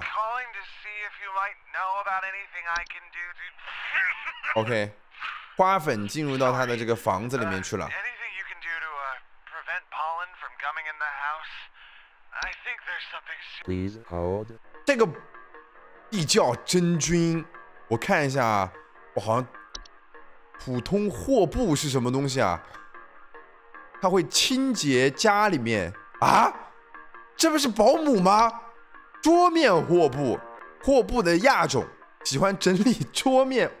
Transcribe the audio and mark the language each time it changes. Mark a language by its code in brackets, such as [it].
[en] ？Calling to see if you might know about anything I can do to. [zh] OK， 花粉进入到他的这个房子里面去了。 [en] Anything you can do to prevent pollen from coming in the house? I think there's something. Please hold. [zh] 这个地窖真菌。我看一下，我好像普通货布是什么东西啊？它会清洁家里面啊？这不是保姆吗？桌面货布，货布的亚种，喜欢整理桌面。